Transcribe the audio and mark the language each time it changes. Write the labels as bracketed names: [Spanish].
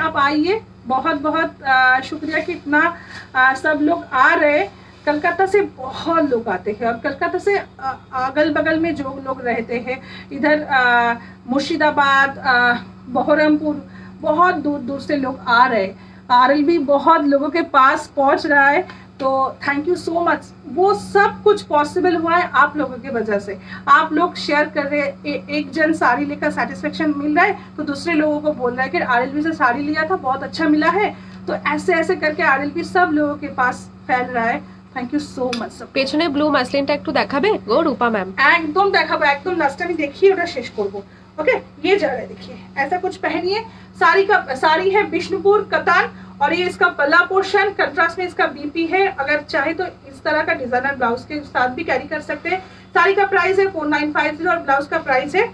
[Hindi] आप आइए, बहुत बहुत शुक्रिया कि इतना सब लोग आ रहे, कलकत्ता से बहुत लोग आते हैं, और कलकत्ता से अगल बगल में जो लोग रहते हैं इधर मुर्शिदाबाद बहरमपुर, बहुत दूर दूर से लोग आ रहे, आरएल भी बहुत लोगों के पास पहुँच रहा है, तो थैंक यू सो मच। वो सब कुछ पॉसिबल हुआ है आप लोगों की वजह से, आप लोग शेयर कर रहे हैं, एक जन साड़ी लेकर सेटिस्फेक्शन मिल रहा है तो दूसरे लोगों को बोल रहा है कि आरएलबी से साड़ी लिया था बहुत अच्छा मिला है, तो ऐसे ऐसे करके आरएलबी सब लोगों के पास फैल रहा है। Thank you so much. [Bangla] पेचने blue मसलिनटा একটু দেখাবে গো রূপা ম্যাম? একদম দেখাবো, একদম লাস্ট আমি দেখি ওটা শেষ করব। [Hindi] ওকে, ये जा रहा है, देखिए ऐसा कुछ पहनिए, साड़ी का साड़ी है बिष्णुपुर कतान, और ये इसका पल्ला पोर्शन, कंट्रास्ट में इसका बीपी है, अगर चाहे तो इस तरह का डिजाइनर ब्लाउज के साथ भी कैरी कर सकते हैं। साड़ी का प्राइस है 4950 और ब्लाउज का प्राइस है